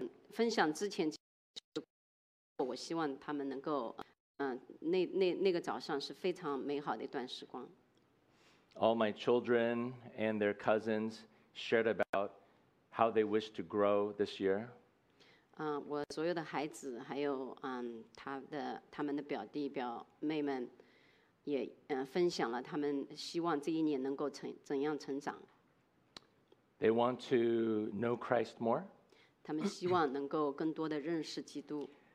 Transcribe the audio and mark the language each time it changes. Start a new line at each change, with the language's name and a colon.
Chinese: 分享之前，我希望他们能够。那个早上是非常美好的一段时光。
English: All my children and their cousins shared about how they wish to grow this year.
Chinese: 我所有的孩子还有他们的表弟表妹们也分享了他们希望这一年能够怎样成长。
English: They want to know Christ more.
Chinese: 他们希望能够更多的认识基督。